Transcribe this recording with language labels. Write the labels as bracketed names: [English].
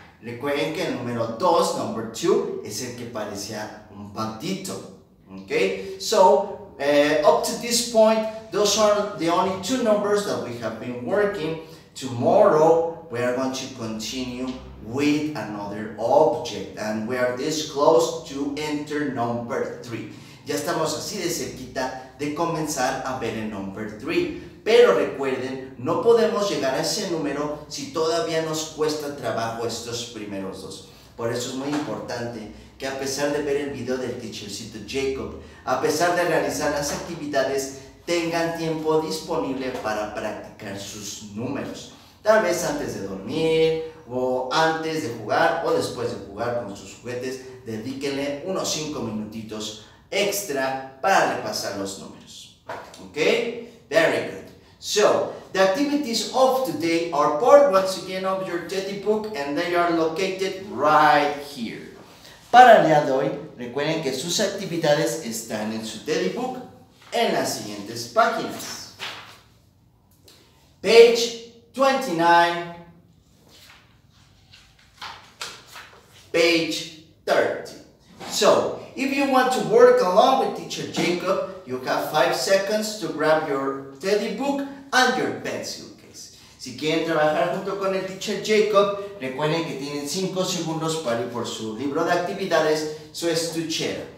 [Spanish] Recuerden que el número 2, [English] number 2, [Spanish] es el que parecía un patito. [English] Okay? So, up to this point, those are the only 2 numbers that we have been working. Tomorrow, we are going to continue with another object. And we are this close to enter number 3. [Spanish] Ya estamos así de cerquita de comenzar a ver el [English] number 3. [Spanish] Pero recuerden, no podemos llegar a ese número si todavía nos cuesta trabajo estos primeros 2. Por eso es muy importante que a pesar de ver el video del teachercito Jacob, a pesar de realizar las actividades, tengan tiempo disponible para practicar sus números. Tal vez antes de dormir, o antes de jugar, o después de jugar con sus juguetes, dedíquenle unos 5 minutitos extra para repasar los números. ¿Ok? [English] Very good. So, the activities of today are part, once again, of your teddy book, and they are located right here. [Spanish] Para el día de hoy, recuerden que sus actividades están en su teddy book en las siguientes páginas. [English] Page 29. Page 30. So, if you want to work along with teacher Jacob, you have 5 seconds to grab your teddy book and your pencil case. [Spanish] Si quieren trabajar junto con el teacher Jacob, recuerden que tienen 5 segundos para ir por su libro de actividades, su estuchera.